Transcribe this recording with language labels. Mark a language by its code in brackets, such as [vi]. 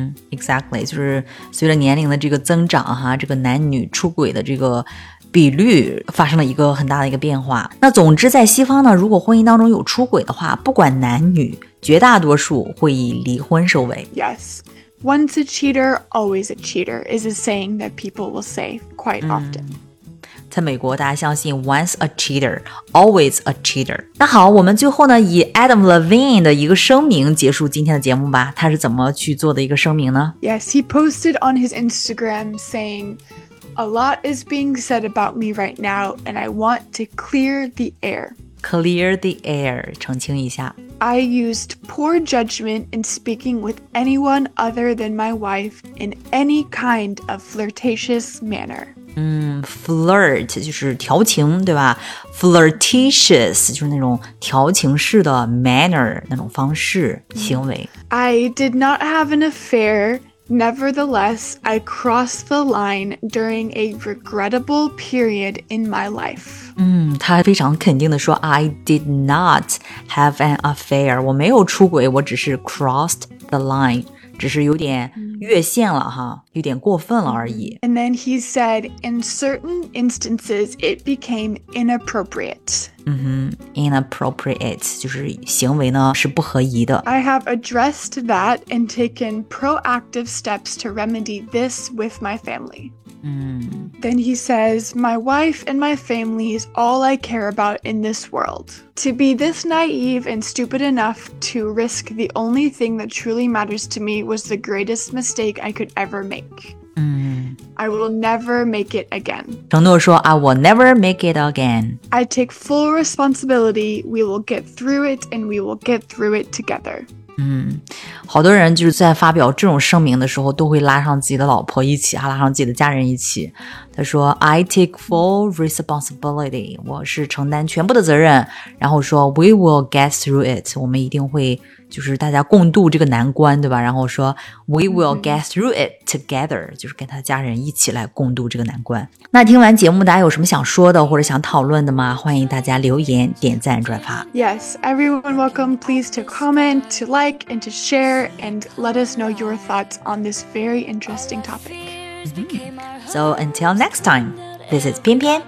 [zh] Exactly, 就是随着年龄的这个增长哈，这个男女出轨的这个比率发生了一个很大的一个变化。那总之在西方呢，如果婚姻当中有出轨的话，不管男女，绝大多数会以离婚收尾。 [en] Yes, once a cheater, always a cheater is a saying that people will say quite often. [zh] 在美国大家相信 [en] once a cheater, always a cheater. [zh] 那好我们最后呢以 Adam Levine 的一个声明结束今天的节目吧。他是怎么去做的一个声明呢 [en] Yes, he posted on his Instagram saying, a lot is being said about me right now and I want to clear the air. Clear the air, [zh] 澄清一下。 [en] I used poor judgment in speaking with anyone other than my wife in any kind of flirtatious manner. [zh] Flirt 就是调情对吧 Flirtatious 就是那种调情式的 manner 那种方式行为 [en] I did not have an affair Nevertheless, I crossed the line during a regrettable period in my life [zh] 他非常肯定地说 [en] I did not have an affair [zh] 我没有出轨我只是 [en] crossed the line [zh] 只是有点越线了哈，有点过分了而已。 [en] And then he said, in certain instances, it became inappropriate. [zh] Inappropriate, 就是行为呢，是不合宜的。 [en] I have addressed that and taken proactive steps to remedy this with my family. Then he says, my wife and my family is all I care about in this world. To be this naive and stupid enough to risk the only thing that truly matters to me was the greatest mistake I could ever make. I will never make it again. [zh] 承诺说 [en] I will never make it again. I take full responsibility. We will get through it and we will get through it together. [zh] 好多人就是在发表这种声明的时候都会拉上自己的老婆一起拉上自己的家人一起他说 [en] I take full responsibility [zh] 我是承担全部的责任然后说 [en] We will get through it [zh] 我们一定会就是大家共度这个难关对吧然后说 [en] We will get through it together [zh] 就是跟他家人一起来共度这个难关那听完节目大家有什么想说的或者想讨论的吗欢迎大家留言点赞转发 [en] Yes, everyone welcome please to comment, to like and to share and let us know your thoughts on this very interesting topic So until next time This is Pian Pian